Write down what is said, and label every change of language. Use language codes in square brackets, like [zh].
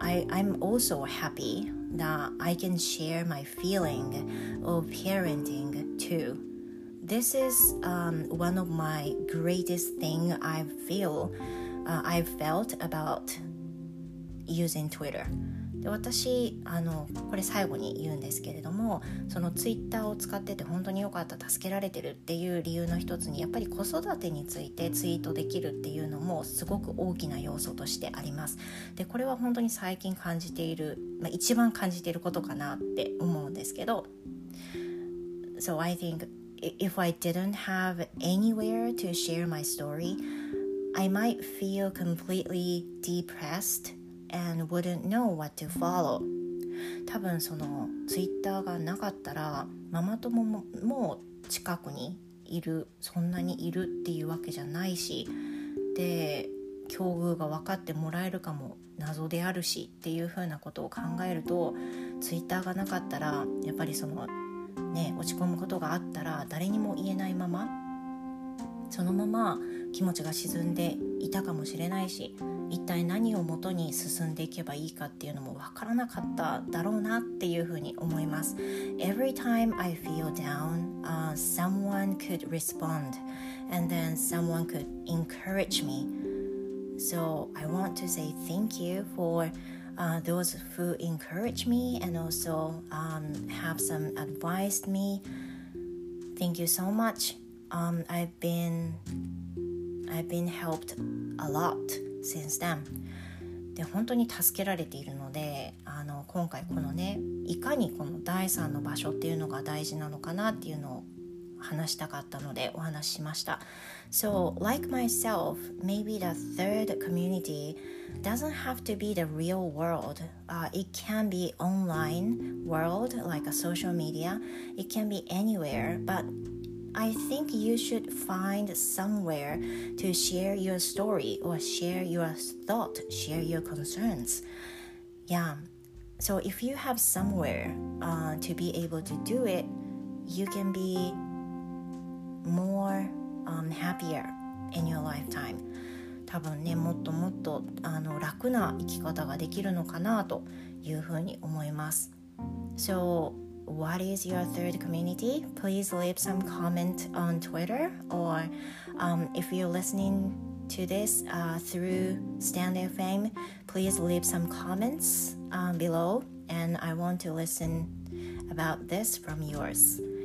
[en] I'm also happy that I can share my feeling of parenting too. This is one of my greatest thing I've felt about using Twitter. [ja] で、私これ最後に言うんですけれども、そのツイッターを使ってて本当に良かった、助けられてるっていう理由の一つに、やっぱり子育てについてツイートできるっていうのもすごく大きな要素としてあります。で、これは本当に最近感じている、まあ、一番感じていることかなって思うんですけど、 [en] So I think if I didn't have anywhere to share my story, I might feel completely depressedAnd wouldn't know what to follow. [ja] 多分そのツイッターがなかったら、ママ友 も近くにいる、そんなにいるっていうわけじゃないし、で、境遇が分かってもらえるかも謎であるしっていうふうなことを考えると、ツイッターがなかったら、やっぱりそのね、落ち込むことがあったら誰にも言えないまま、そのまま気持ちが沈んでいたかもしれないし、一体何をもとに進んでいけばいいかっていうのも分からなかっただろうなっていうふうに思います。 [en] Every time I feel down, someone could respond, and then someone could encourage me. So I want to say thank you for those who encourage me and also have some advised me. Thank you so much. I've been helped a lot since then. [ja] で、本当に助けられているので、今回このね、いかにこの第三の場所っていうのが大事なのかなっていうのを話したかったのでお話ししました。 [en] So like myself, maybe the third community doesn't have to be the real world. It can be online world, like a social media. It can be anywhere, butI think you should find somewhere to share your story or share your thought, share your concerns. Yeah. So if you have somewhere to be able to do it, you can be more happier in your lifetime. [ja] 多分ね、もっともっと楽な生き方ができるのかなというふうに思います。 [en] So what is your third community? Please leave some comment on Twitter, or if you're listening to this through Stand FM, please leave some comments below, and I want to listen about this from yours.